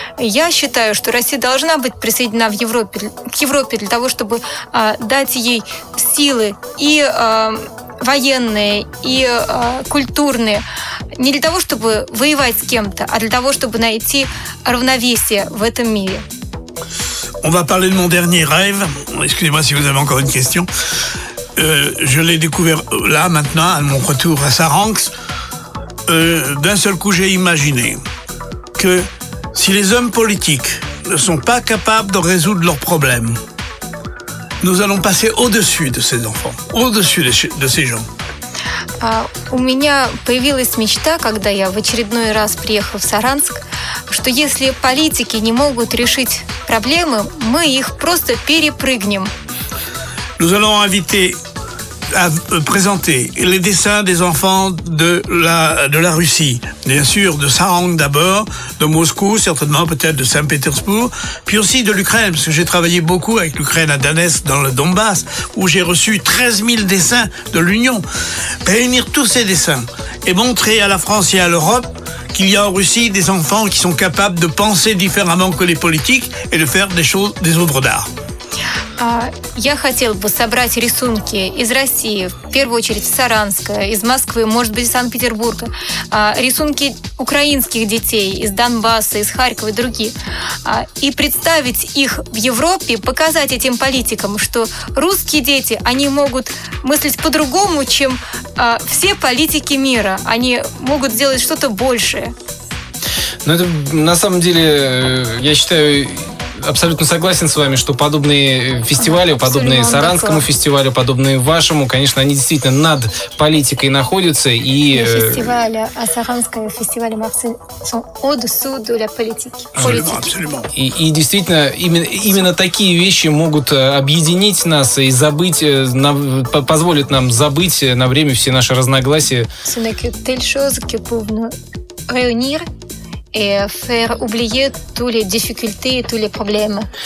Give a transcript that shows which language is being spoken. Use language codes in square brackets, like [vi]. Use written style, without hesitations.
[ru] Я считаю, что Россия должна быть присоединена к Европе для того, чтобы дать ей силы и военные, и культурные. Не для того, чтобы воевать с кем-то, а для того, чтобы найти равновесие в этом мире. [fr] On va parler de mon dernier rêve. Excusez-moi si vous avez encore une question. Je l'ai découvert là, maintenant, à mon retour à Saranx. D'un seul coup, j'ai imaginé que si les hommes politiques ne sont pas capables de résoudre leurs problèmes, nous allons passer au-dessus de ces enfants, au-dessus de ces gens. [ru] У меня появилась мечта, когда я в очередной раз приехал в Саранск, что если политики не могут решить проблемы, мы их просто перепрыгнем. [fr] Nous allons inviter à présenter les dessins des enfants de la Russie. Bien sûr, de Saranx d'abord, de Moscou, certainement peut-être de Saint-Pétersbourg, puis aussi de l'Ukraine, parce que j'ai travaillé beaucoup avec l'Ukraine à Donetsk, dans le Donbass, où j'ai reçu 13 000 dessins de l'Union. Réunir tous ces dessins et montrer à la France et à l'Europe qu'il y a en Russie des enfants qui sont capables de penser différemment que les politiques et de faire des choses, des œuvres d'art. [ru] Я хотел бы собрать рисунки из России, в первую очередь из Саранска, из Москвы, может быть, из Санкт-Петербурга, рисунки украинских детей из Донбасса, из Харькова и другие, и представить их в Европе, показать этим политикам, что русские дети, они могут мыслить по-другому, чем все политики мира, они могут сделать что-то большее. Ну, это, на самом деле, я считаю... Абсолютно согласен с вами, что подобные фестивали, подобные Саранскому фестивалю, подобные вашему, конечно, они действительно над политикой находятся. И фестивали, а Саранскому фестивалю Максим [fr] au-dessous de la politique. [ru] И действительно, именно такие вещи могут объединить нас и забыть, позволят нам забыть на время все наши разногласия. [fr] Ce n'est que telle chose qui peut nous réunir. Et faire oublier toutes les difficultés, toutes les problèmes.